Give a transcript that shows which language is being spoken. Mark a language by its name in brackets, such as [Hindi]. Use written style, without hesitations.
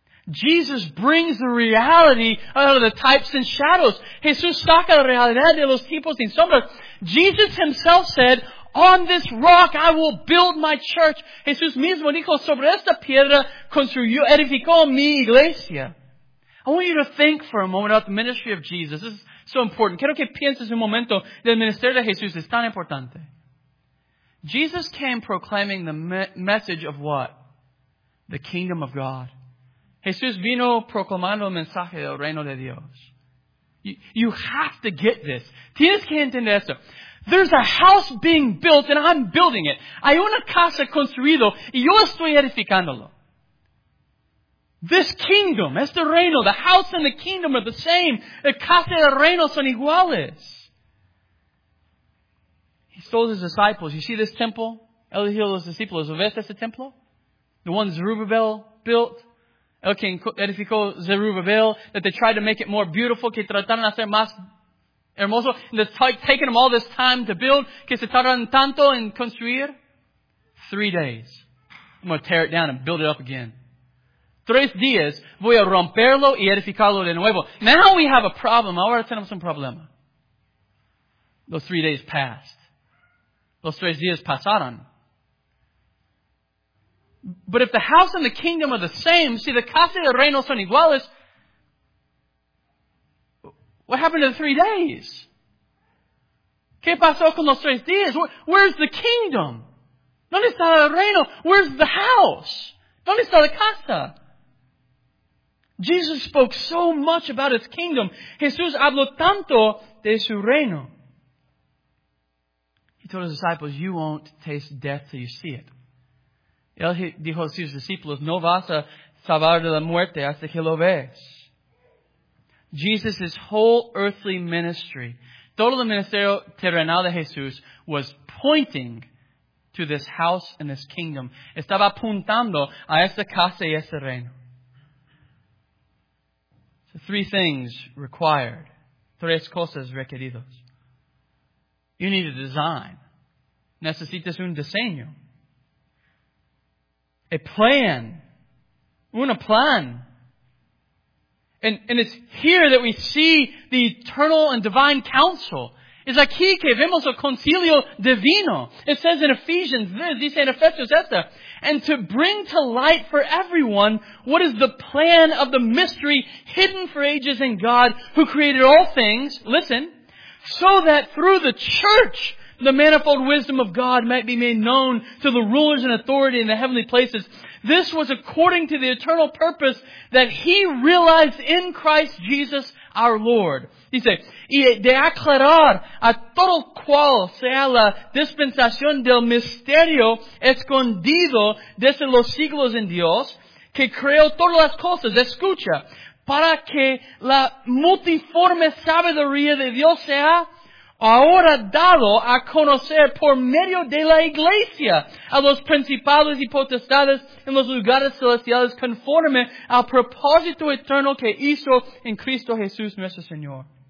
[English] Jesus brings the reality out of the types and shadows. [Spanish] Jesús saca la realidad de los tipos y sombras. [English] Jesus himself said, on this rock I will build my church. [Spanish] Jesús mismo dijo, sobre esta piedra construyó, edificó mi iglesia. [English] I want you to think for a moment about the ministry of Jesus. This is so important. [Spanish] Quiero que pienses un momento del ministerio de Jesús. Es tan importante. [English] Jesus came proclaiming the message of what? The kingdom of God. [Spanish] Jesús vino proclamando el mensaje del reino de Dios. [English] You have to get this. [Spanish] Tienes que entender esto. [English] There's a house being built and I'm building it. [Spanish] Hay una casa construido y yo estoy edificándolo. [English] This kingdom, [Spanish] este reino, [English] the house and the kingdom are the same. [Spanish] El casa y el reino son iguales. [English] He told his disciples, you see this temple? [Spanish] Él dijo a los discípulos, ¿ves este templo? [English] The one Zerubbabel built. [Spanish] El que edificó Zerubbabel, [English] that they tried to make it more beautiful, [Spanish] que trataron de hacer más hermoso, [English] and it's taking them all this time to build, [Spanish] que se tardaron tanto en construir. [English] 3 days. I'm going to tear it down and build it up again. [Spanish] 3 días, voy a romperlo y edificarlo de nuevo. [English] Now we have a problem. [Spanish] Ahora tenemos un problema. [English] Those 3 days passed. Those 3 [Spanish] días pasaron. [English] But if the house and the kingdom are the same, see, the [Spanish] casa y el reino son iguales, [English] what happened to the 3 days? [Spanish] ¿Qué pasó con los 3 días? [English] Where's the kingdom? [Spanish] ¿Dónde está el reino? [English] Where's the house? [Spanish] ¿Dónde está la casa? [English] Jesus spoke so much about his kingdom. [Spanish] Jesús habló tanto de su reino. [English] He told his disciples, you won't taste death till you see it. [Spanish] Él dijo a sus discípulos, no vas a salvar de la muerte hasta que lo ves. [English] Jesus' whole earthly ministry, [Spanish] todo el ministerio terrenal de Jesús, [English] was pointing to this house and this kingdom. [Spanish] Estaba apuntando a esta casa y este reino. [English] So 3 things required. [Spanish] 3 cosas requeridos. [English] You need a design. [Spanish] Necesitas un diseño. [English] A plan. [Spanish] Una plan. [English] And it's here that we see the eternal and divine counsel. [Spanish] Es aquí que vemos el concilio divino. [English] It says in Ephesians, this, [Spanish] dice en Efesios esta. [English] And to bring to light for everyone what is the plan of the mystery hidden for ages in God who created all things. Listen. So that through the church, the manifold wisdom of God might be made known to the rulers and authority in the heavenly places. This was according to the eternal purpose that he realized in Christ Jesus our Lord. [Spanish] Dice, y de aclarar a todo cual sea la dispensación del misterio escondido desde los siglos en Dios, que creó todas las cosas. Escucha, para que la multiforme sabiduría de Dios sea ahora dado a conocer por medio de la iglesia a los principales y potestades en los lugares celestiales conforme al propósito eterno que hizo en Cristo Jesús nuestro Señor.